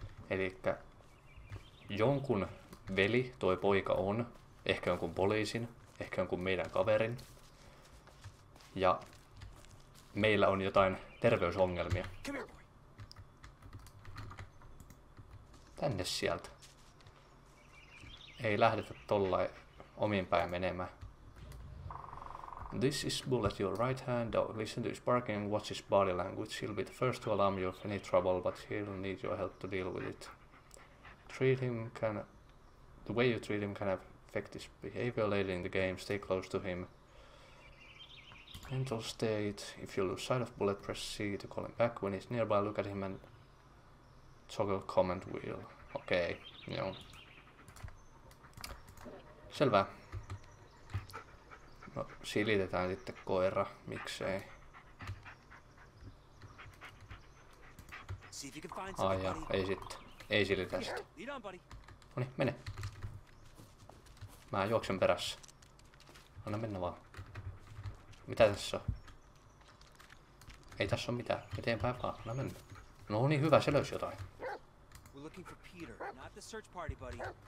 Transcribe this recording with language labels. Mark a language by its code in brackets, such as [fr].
[fi] Elikkä jonkun veli toi poika on, ehkä jonkun poliisin, ehkä jonkun meidän kaverin. Ja meillä on jotain terveysongelmia. Tänne sieltä. Ei lähdetä tollain omin päin menemään. [en] This is Bullet, your right hand. Oh, listen to his barking and watch his body language. He'll be the first to alarm you of any trouble, but he'll need your help to deal with it. Treat him can... The way you treat him can affect his behavior later in the game. Stay close to him. Mental state. If you lose sight of Bullet, press C to call him back. When he's nearby, look at him and... Toggle command wheel. Okei, okay, joo. [fi] Selvä. No, silitetään sitten koira, miksei. Ai jaa, ei sitten. Ei silitä sitten. Noni, mene. Mä juoksen perässä. Anna mennä vaan. Mitä tässä on? Ei tässä ole mitään. Eteenpäin vaan, anna mennä. No niin, hyvä, se löysi jotain. [en] We're looking for Peter, not the search party, buddy.